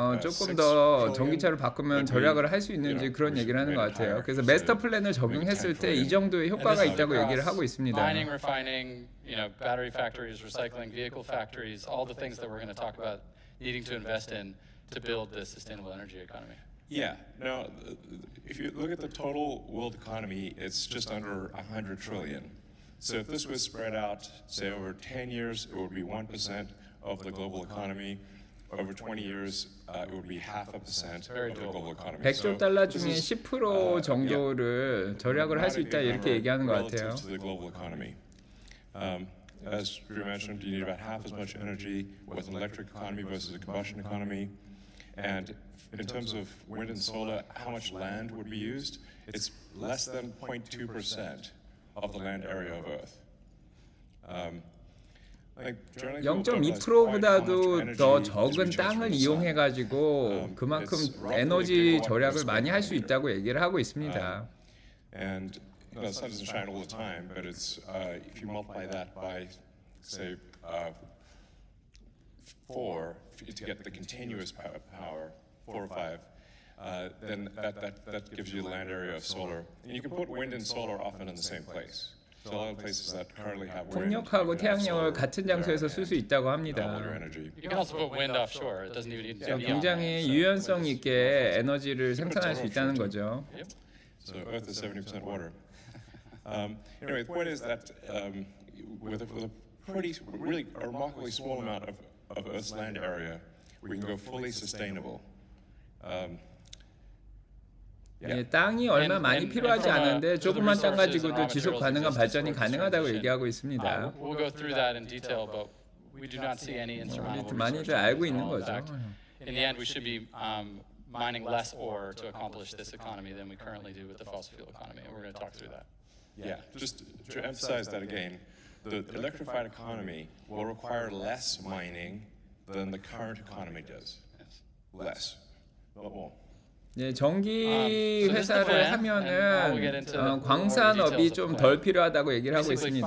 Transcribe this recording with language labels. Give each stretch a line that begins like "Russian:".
Korean: 조금 더 전기차를 바꾸면 절약을 할 수 있는지 그런 얘기를 하는 것 같아요. 그래서 메스터 플랜을 적용했을 때 이 정도의 효과가 있다고 얘기를 하고 있습니다.
English: Mining, refining, you know, battery factories, recycling, vehicle factories, all the things that we're going to talk about. Needing to invest in to build the sustainable energy economy. Yeah. Now, if you look at the total world economy, it's just under 100 trillion. So if this was spread out, say, over 10 years, it would be 1% of the global economy. Over 20 years, it would be 0.5% of the global economy.
Korean: 100조 달러 중에 10% 정도를 절약을 할 수 있다 이렇게 얘기하는 것 같아요.
English: Relative to the global economy. As we mentioned, you need about half as much energy with an electric economy versus a combustion economy. And in terms of wind and solar, how much land would be used? It's less than 0.2% of the land area of Earth.
Korean: 0.2%보다도 더 적은 땅을 이용해 가지고 그만큼 에너지 절약을 많이 할 수 있다고 얘기를 하고 있습니다.
English: And the sun doesn't shine all the time, but it's if you multiply that by say four to get the continuous power, four or five, then that gives you the land area of solar. And you can put wind and solar often in the same place. So a lot of places that currently have wind.
Korean: 풍력하고 태양력을 같은 장소에서 쓸 수 있다고 합니다.
English: You can also put wind offshore. It doesn't even need to be.
Korean: 굉장히 유연성 있게 에너지를 생산할 수 있다는 거죠.
English: So Earth is 70% water. Anyway, the point is that with a pretty, really a remarkably small amount of Earth's land area, we can go fully sustainable.
Korean: 땅이 얼마 많이 필요하지 않은데 조금만 땅 가지고도 지속 가능한 발전이 가능하다고 얘기하고 있습니다.
English: We'll go through that in detail, but we do not see any insurmountable.
Korean: 많이들 알고 있는 거죠.
English: In the end, we should be mining less ore to accomplish this economy than we currently do with the fossil fuel economy, and we're going to talk through that. Yeah, just to emphasize that again, the electrified economy will require less mining than the current economy does. Less, but more.
Korean: 네, 전기 회사를 하면은 광산업이 좀 덜 필요하다고 얘기를 하고 있습니다.